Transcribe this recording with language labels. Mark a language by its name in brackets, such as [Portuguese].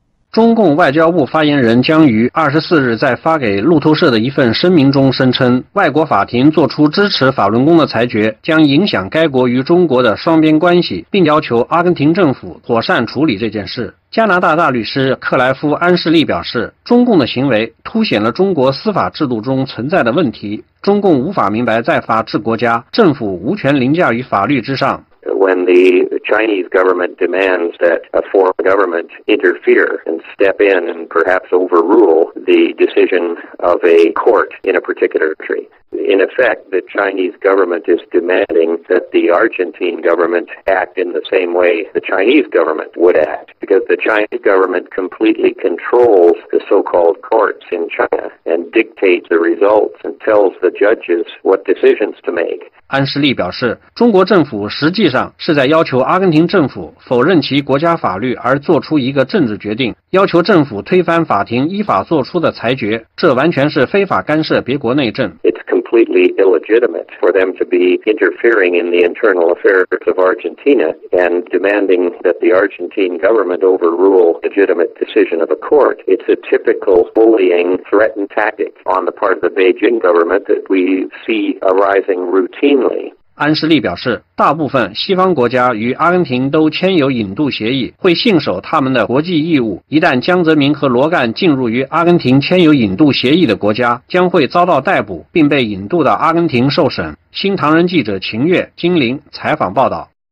[Chinese] 中共外交部发言人姜瑜24日在发给路透社的一份声明中声称，外国法庭作出支持法轮功的裁决将影响该国与中国的双边关系，并要求阿根廷政府妥善处理这件事。加拿大大律师克莱夫·安士利表示，中共的行为凸显了中国司法制度中存在的问题，中共无法明白在法治国家，政府无权凌驾于法律之上。 [English] When the Chinese government demands that a foreign government interfere and step in and perhaps overrule the decision of a court in a particular country, in effect, the Chinese government is demanding that the Argentine government act in the same way the Chinese government would act, because the Chinese government completely controls the so-called courts in China and dictates the results and tells the judges what decisions to make. [Chinese] 安士利表示，中国政府实际上是在要求阿根廷政府否认其国家法律而做出一个政治决定，要求政府推翻法庭依法做出的裁决，这完全是非法干涉别国内政。 [English] It's completely illegitimate for them to be interfering in the internal affairs of Argentina and demanding that the Argentine government overrule legitimate decision of a court. It's a typical bullying threatened tactic on the part of the Beijing government that we see arising routine. [Chinese] 安士利表示，大部分西方国家与阿根廷都签有引渡协议，会信守他们的国际义务，一旦江泽民和罗干进入与阿根廷签有引渡协议的国家，将会遭到逮捕并被引渡到阿根廷受审。新唐人记者秦月、金玲采访报道。